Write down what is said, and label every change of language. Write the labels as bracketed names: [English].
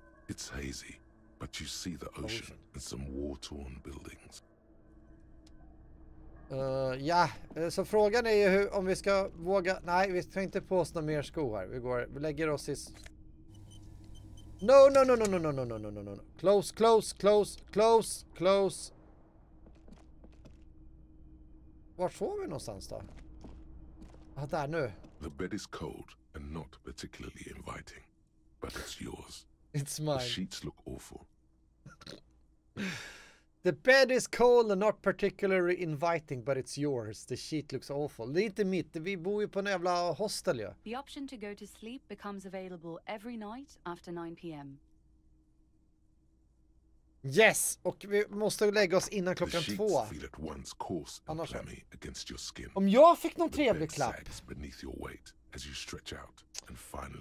[English] It's hazy, but you see the ocean and some war-torn buildings. [Swedish] Ja, så frågan är ju hur, om vi ska våga... Nej, vi ska inte på oss några mer skor här. Vi lägger oss i... [English] No, no, no, no, no, no, no, no, no, no, no. Close, close, close, close, close. [Swedish] Vart får vi någonstans då? Ah, där nu. [English] The bed is cold and not particularly inviting. But it's yours. It's mine. The sheets look awful. The bed is cold and not particularly inviting, but it's yours. The sheet looks awful. [Swedish] Det är inte mitt. Vi bor ju på en jävla hostel, ja. [English] The option to go to sleep becomes available every night after 9 p.m. Yes! [Swedish] Och vi måste lägga oss innan klockan två. Annars [English] clammy against your skin. [Swedish] Om jag fick någon trevlig klapp. [English] Beneath your weight as you stretch out and finally.